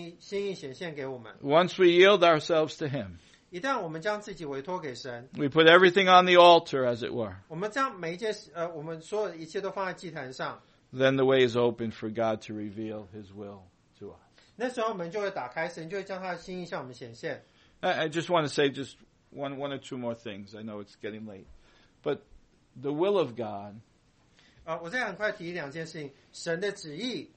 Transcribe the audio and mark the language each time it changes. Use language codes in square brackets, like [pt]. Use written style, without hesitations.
[zh] 所以在那个时候，神就可以将他的心意显现给我们。 [en] Once we yield ourselves to him, [zh] 一旦我们将自己委托给神, [en] we put everything on the altar, as it were. [zh] 我们将每一件，我们所有的一切都放在祭坛上。 [en] Then the way is open for God to reveal His will to us. [zh] 那时候门就会打开, 神就会将他的心意向我们显现。 [en] I just want to say just one or two more things. I know it's getting late. But the will of God, [zh] 我再很快提一两件事情, 神的旨意,